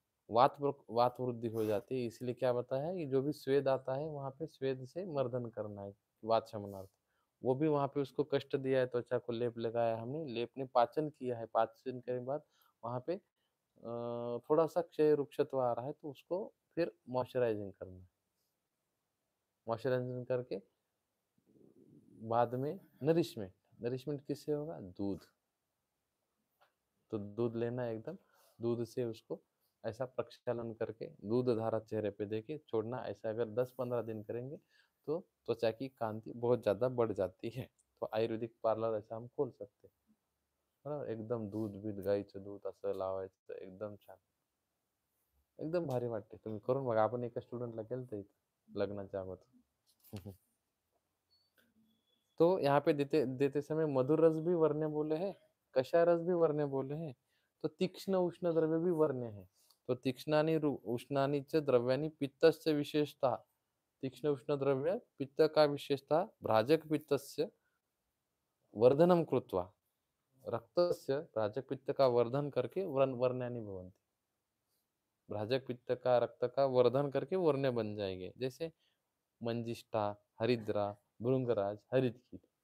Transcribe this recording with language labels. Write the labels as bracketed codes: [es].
[hi] वात वृद्धि हो जाती है, इसलिए क्या बताया है, ये जो भी स्वेद आता है वहाँ पे स्वेद से मर्दन करना है वात शमनार्थ, वो भी वहाँ पे उसको कष्ट दिया है, त्वचा को लेप लगाया हमने, लेप ने पाचन किया है, पाचन के बाद वहाँ पे थोड़ा सा क्षय रुक्षत्व आ रहा है, तो उसको फिर मॉइस्चराइजिंग करना है, मॉइस्चराइजिंग करके बाद में नरिशमेंट। नरिशमेंट किससे होगा, दूध, तो दूध लेना एकदम, दूध से उसको ऐसा प्रक्षालन करके दूध धारा चेहरे पे देके छोड़ना, ऐसा अगर 10-15 दिन करेंगे तो त्वचा की कांति बहुत ज्यादा बढ़ जाती है। तो आयुर्वेदिक पार्लर ऐसा हम खोल सकते हैं, [mr] बराबर, एकदम दूध भी गाई चे दूध असं लावायचं, तो एकदम छान, एकदम भारी वाटते, तुम्ही करून बघा, आपण एका स्टुडंटला केलं ते लग्नाच्या अगोदर। [hi] तो यहाँ पे देते समय मधुर रस भी वर्ण्य बोले हैं, कषाय रस भी वर्ण्य बोले हैं, तो तीक्ष्ण उष्ण द्रव्य भी वर्ण्य है। तो [sa] तीक्ष्णानी उष्णानी च द्रव्यानी पित्तस्य विशेषता, [hi] तीक्ष्ण उष्ण द्रव्य पित्त का विशेषता, [sa] भ्राजक पित्तस्य वर्धनम कृत्वा, [hi] रक्तस्य भ्राजक पित्त का वर्धन करके [sa] वर्ण्यानी भवन्ति, [hi] भ्राजक पित्त का रक्त का वर्धन करके वर्ण्य बन जाएंगे, जैसे मंजिष्ठा, हरिद्रा, भृंगराज, हरित कीट।